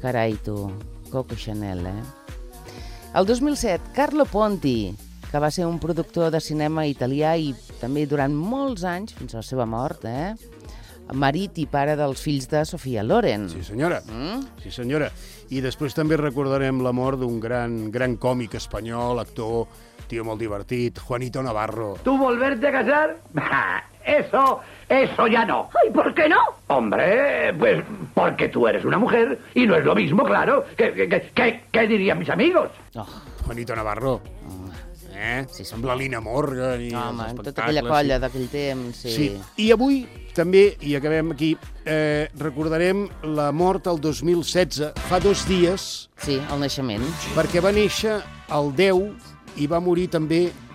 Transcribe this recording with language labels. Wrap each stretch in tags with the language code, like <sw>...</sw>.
<ca>Carai, tu, Coco Chanel, El 2007, Carlo Ponti, que va ser un productor de cinema italià i també durant molts anys, fins a la seva mort, marit i pare dels fills de Sofia Loren. Sí, senyora. Mm? Sí, senyora. I després també recordarem la mort d'un gran, gran còmic espanyol, actor, tío molt divertit, Juanito Navarro.</ca> <es>¿Tú volverte a casar? Eso, eso ya no. ¿Y por qué no? Hombre, pues porque tú eres una mujer y no es lo mismo, claro. ¿Qué dirían mis amigos?</es> <ca>Oh. Juanito Navarro. Sí, sí. Amb la Lina Morgan i home, els espectacles. Tota aquella colla d'aquell temps. Sí. Sí. I avui també, i acabem aquí, recordarem la mort el 2016, fa dos dies. Sí, el naixement. Perquè va néixer el 10 i va morir també...</ca>